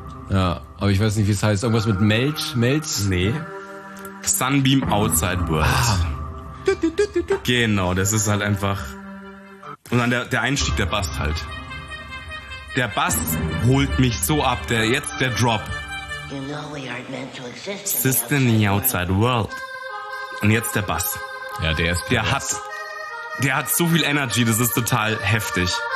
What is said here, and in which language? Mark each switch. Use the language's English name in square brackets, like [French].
[German] Ja, aber ich weiß nicht, wie es heißt. Irgendwas mit Melch? Melch? Nee. Sunbeam Outside World. Ah. Genau, das ist halt einfach. Und dann der Einstieg, der Bass halt. Der Bass holt mich so ab, der Drop. [English] You know we aren't meant to exist in the outside, outside world. [German] Und jetzt der Bass. Ja, der ist der Bass. Der hat so viel Energy, das ist total heftig.